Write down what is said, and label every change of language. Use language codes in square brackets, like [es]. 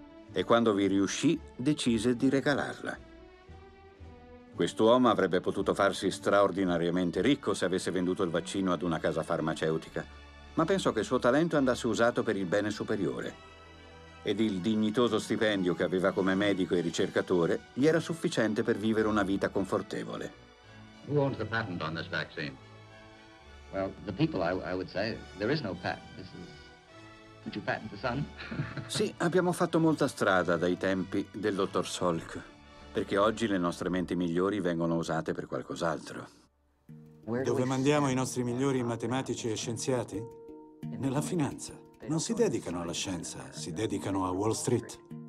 [it] E quando vi riuscì, decise di regalarla. Quest'uomo avrebbe potuto farsi straordinariamente ricco se avesse venduto il vaccino ad una casa farmaceutica, ma pensò che il suo talento andasse usato per il bene superiore. Ed il dignitoso stipendio che aveva come medico e ricercatore gli era sufficiente per vivere una vita confortevole. [en] Who owns the patent on this vaccine? Well, the people, I would say, there is no patent. This is... Could you patent the sun? [it] Sì, abbiamo fatto molta strada dai tempi del dottor Salk, perché oggi le nostre menti migliori vengono usate per qualcos'altro. Dove mandiamo i nostri migliori matematici e scienziati? Nella finanza. Non si dedicano alla scienza, si dedicano a Wall Street.